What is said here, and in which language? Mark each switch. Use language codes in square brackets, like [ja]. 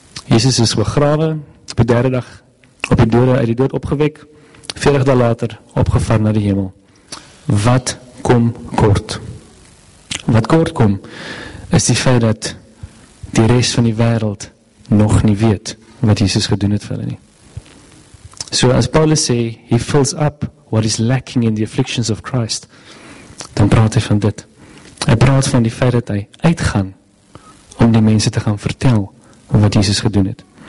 [af] Jesus is begrawe, op die derde dag, op die dode uit die dood opgewek, 40 dae later, opgevaar na die hemel. Wat kom kort? Wat kort kom, is die feit dat die rest van die wereld nog nie weet wat Jesus gedoen het vir hulle nie. So as Paulus sê, [en] he fills up what is lacking in the afflictions of Christ. [af] Dan praat hy van dit. Hy praat van die feit dat hy uitgaan om die mense te gaan vertel wat Jesus gedoen het.